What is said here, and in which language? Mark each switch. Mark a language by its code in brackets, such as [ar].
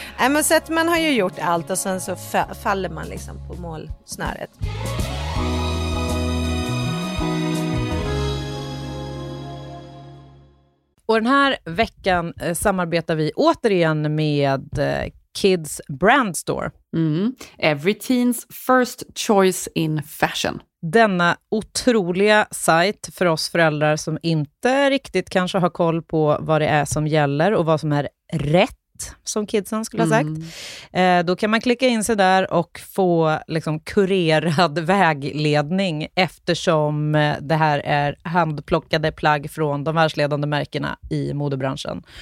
[sv] Men så att man har ju gjort allt och sen så faller man liksom på målsnöret. Och den här veckan samarbetar vi återigen med Kids Brand Store. Mm. [en] Every teen's first choice in fashion. [sv] Denna otroliga sajt för oss föräldrar som inte riktigt kanske har koll på vad det är som gäller och vad som är rätt. Som kidsen skulle ha sagt. Då kan man klicka in sig där och få liksom kurerad vägledning, eftersom det här är handplockade plagg från de världsledande märkena i modebranschen.